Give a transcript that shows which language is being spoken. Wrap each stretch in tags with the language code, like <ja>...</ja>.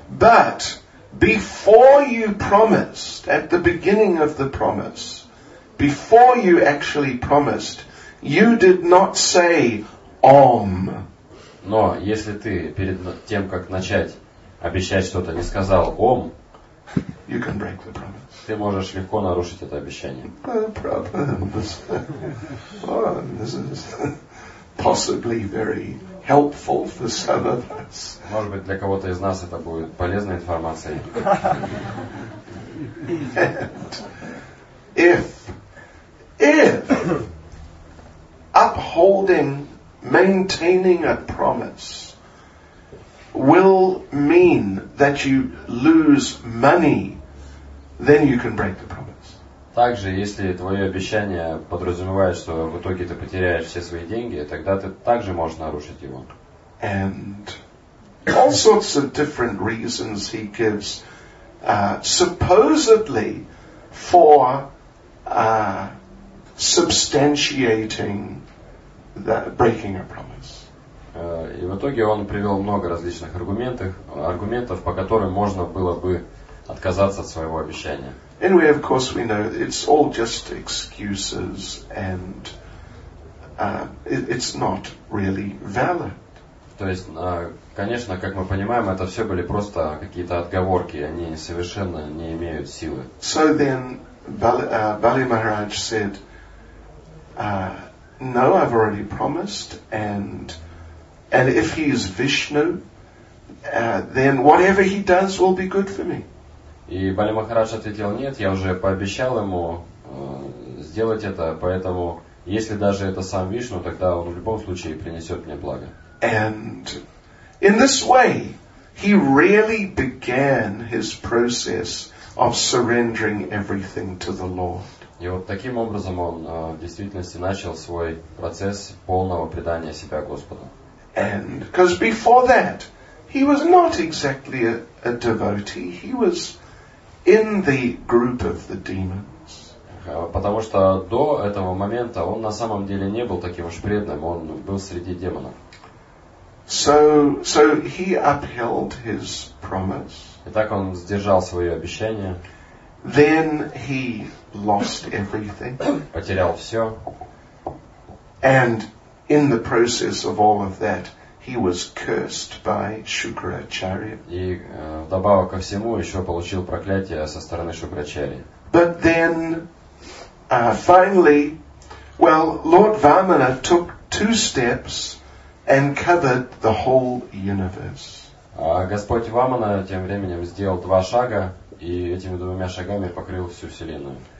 <en>But before you promised, at the beginning of the promise, before you actually promised, you did not say Om.</en> <ru>Но если ты перед тем, как начать обещать что-то, не сказал Ом,</ru> <en>you can break the promise.</en> <ru>Ты можешь легко нарушить это обещание.</ru> <en>No problems. Oh, this is possibly very helpful for some of us.</en> <ru>Может быть, для кого-то из нас это будет полезной информацией.</ru> <en>And if upholding, maintaining a promise will mean that you lose money, then you can break the promise.</en> <ru>Также, если твое обещание подразумевает, что в итоге ты потеряешь все свои деньги, тогда ты также можешь нарушить его.</ru> <en>And all sorts of different reasons he gives, supposedly for substantiating the breaking a promise.</en> <ru>И в итоге он привел много различных аргументов, по которым можно было бы отказаться от своего обещания.</ru> <en>And we, of course, we know it's all just excuses and it's not really valid.</en> <ru>То есть, конечно, как мы понимаем, это все были просто какие-то отговорки, они совершенно не имеют силы.</ru> <en>So then Bali Maharaj said, no, I've already promised and if he is Vishnu, then whatever he does will be good for me.</en> <ru>И Бали Махарадж ответил, нет, я уже пообещал ему сделать это, поэтому если даже это сам Вишну, тогда он в любом случае принесет мне благо.</ru> <en>And in this way, he really began his process of surrendering everything to the Lord.</en> <ru>И вот таким образом он в действительности начал свой процесс полного предания себя Господу.</ru> <en>And because before that, he was not exactly a devotee. He was in the group of the demons.</en> <ru>Потому что до этого момента он на самом деле не был таким уж преданным, он был среди демонов.</ru> <en>So he upheld his promise.</en> <ru>Итак, он сдержал свое обещание.</ru> <en>Then he lost everything.</en> <ru>Потерял все.</ru> <en>And in the process of all of that, he was cursed by Shukracharya.</en> <ru>И вдобавок ко всему еще получил проклятие со стороны Шукрачарьи.</ru> <en>But then, finally, Lord Vamana took two steps and covered the whole universe.</en> <ru>Господь Вамана тем временем сделал два шага и этими двумя шагами покрыл всю вселенную.</ru>